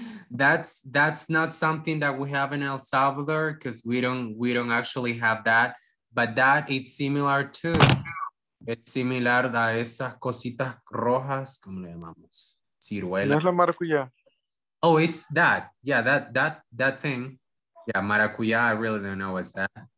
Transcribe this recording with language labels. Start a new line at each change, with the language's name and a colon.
English: That's not something that we have in El Salvador because we don't actually have that. But that it's similar to.
Spanish: Es similar a esas cositas rojas, ¿cómo le llamamos? Ciruela. ¿Es la maracuyá?
English: Oh, it's that. Yeah, that thing. Yeah, maracuyá, I really don't know what's that.